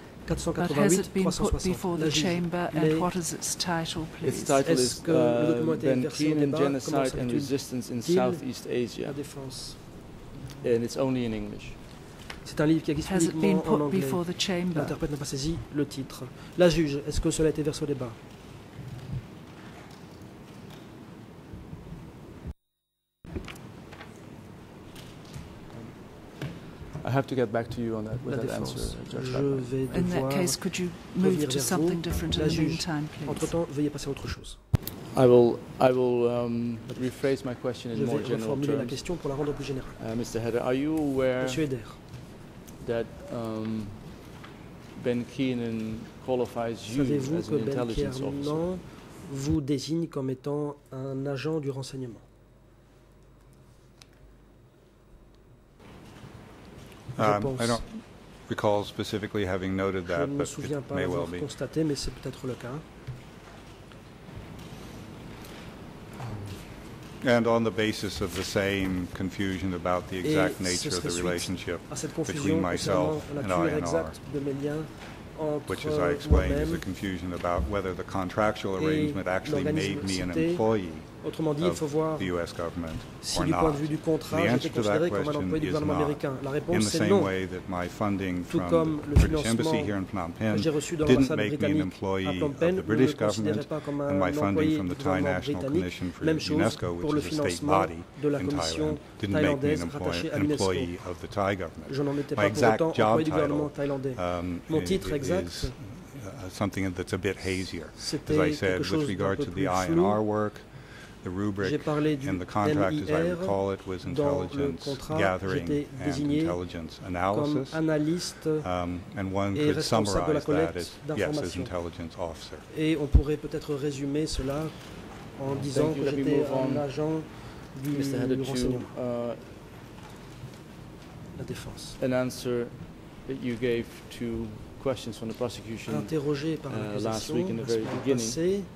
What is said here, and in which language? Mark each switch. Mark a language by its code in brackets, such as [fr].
[en] Has it been put before the chamber, and what is its title, please? Its title is Benkirin Genocide and Resistance in Southeast Asia, and it's only in English. [fr] C'est un livre qui existe uniquement en anglais. L'interprète n'a pas saisi le titre. La juge, est-ce que cela a été versé au débat? [en] I have to get back to you on that with that answer. In that case, could you move to something different in the meantime, please? [fr] Entre-temps, veuillez passer à autre chose. [en] I will rephrase my question in more general terms. [fr] Je vais la question pour la rendre plus générale. [en] Mr. Hedder, are you aware that Ben Keenan qualifies you as an intelligence officer? [fr] Savez-vous que Ben Keenan vous désigne comme étant un agent du renseignement? [en] I don't recall specifically having noted that, but it may well be. [fr] Constaté, mais c'est peut-être le cas. [en] And on the basis of the same confusion about the exact nature of the relationship between myself and INR, which, as I explained, is a confusion about whether the contractual arrangement actually made me an employee. [fr] Autrement dit, il faut voir si du point de vue du contrat, j'ai été considéré comme un employé du gouvernement américain. La réponse est non. Tout comme le financement que j'ai reçu de l'ambassade britannique à Phnom Penh ne me considérait pas comme un employé du gouvernement britannique. Même chose pour le financement de la commission thaïlandaise rattachée à l'UNESCO. Je n'en étais pas pour autant employé du gouvernement thaïlandais. Mon titre exact... [en] Something that's a bit hazier. As I said, with regard to the INR work, the rubric and the contract, as I recall it, was intelligence gathering and intelligence analysis. And one could summarize that as, yes, as intelligence officer. [fr] Et on pourrait peut-être résumer cela en disant que j'étais un agent du renseignement. La Défense. [en] An answer that you gave to questions from the prosecution last week in the very beginning.